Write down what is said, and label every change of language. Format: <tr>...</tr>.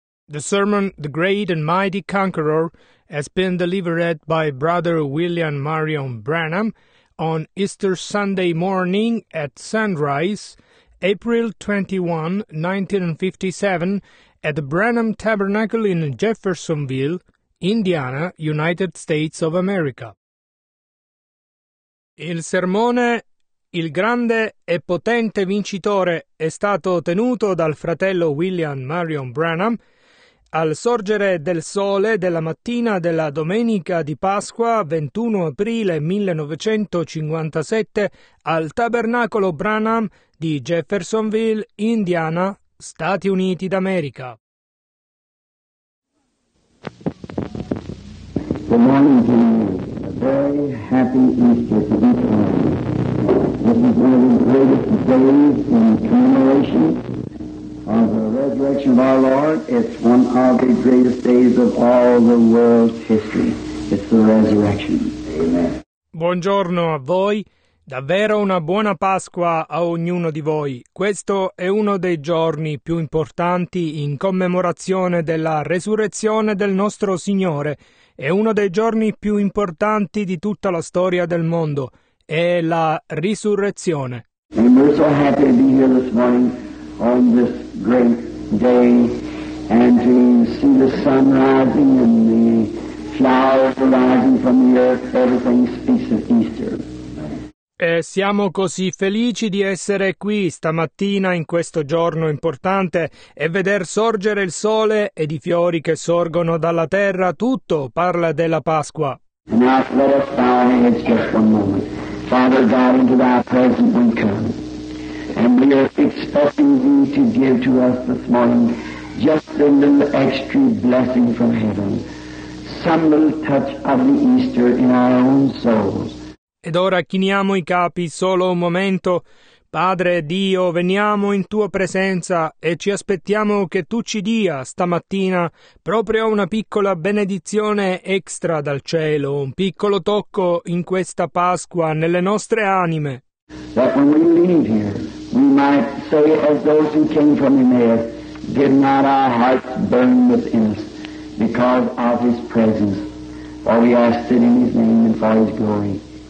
<en>The sermon, The Great and Mighty Conqueror, has been delivered by Brother William Marion Branham on Easter Sunday morning at sunrise, April 21, 1957, at the Branham Tabernacle in Jeffersonville, Indiana, United States of America.</en> <it>Il sermone Il grande e potente vincitore è stato tenuto dal fratello William Marion Branham al sorgere del sole della mattina della domenica di Pasqua 21 aprile 1957 al Tabernacolo Branham di Jeffersonville, Indiana, Stati Uniti d'America.</it> <en>Good morning to you. A very happy Easter to each one of you. This is one of the greatest days in commemoration of the resurrection of our Lord. It's one of the greatest days of all the world's history. It's the resurrection. Amen.</en> <it>Buongiorno a voi. Davvero una buona Pasqua a ognuno di voi. Questo è uno dei giorni più importanti in commemorazione della resurrezione del nostro Signore. È uno dei giorni più importanti di tutta la storia del mondo. È la risurrezione.</it> <en>And we're so happy to be here this morning on this great day and to see the sun rising and the flowers rising from the earth. Everything speaks of Easter.</en> <it>E siamo così felici di essere qui stamattina in questo giorno importante e veder sorgere il sole ed i fiori che sorgono dalla terra. Tutto parla della Pasqua.</it> <en>And now let us bow our heads just one moment. Father God, into thy presence we come. And we are expecting thee to give to us this morning just a little extra blessing from heaven. Some little touch of the Easter in our own souls.</en> <it>Ed ora chiniamo i capi solo un momento. Padre Dio, veniamo in tua presenza e ci aspettiamo che tu ci dia stamattina proprio una piccola benedizione extra dal cielo, un piccolo tocco in questa Pasqua nelle nostre anime.</it> <en>That when we leave here, we might say as those who came from Emmaus, did not our hearts burn within us because of his presence? For we ask it in his name and for his glory.</en>